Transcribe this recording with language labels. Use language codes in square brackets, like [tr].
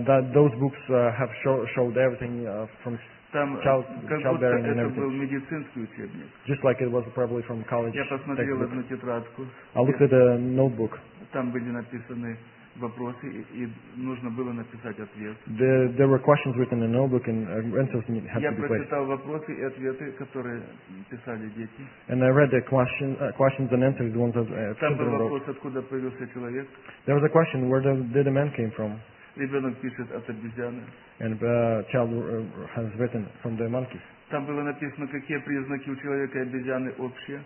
[en] Those books have showed everything from childbearing and everything. [ru] Это был медицинский учебник. [en] Just like it was probably from college. [ru] Я посмотрел одну тетрадку. [en] I looked at a notebook. [ru] Там были написаны вопросы, и нужно было написать ответ. [en] There were questions written in a notebook, and answers had to be placed. [ru] Я прочитал вопросы и ответы, которые писали дети. [en] And I read the questions and answers, the ones that children wrote. [ru] Там был вопрос, откуда появился человек. [en] There was a question, where did a man came from? [ru] Ребенок пишет от обезьяны. [en] And a child has written from the monkeys. [ru] Там было написано, какие признаки у человека и обезьяны общие.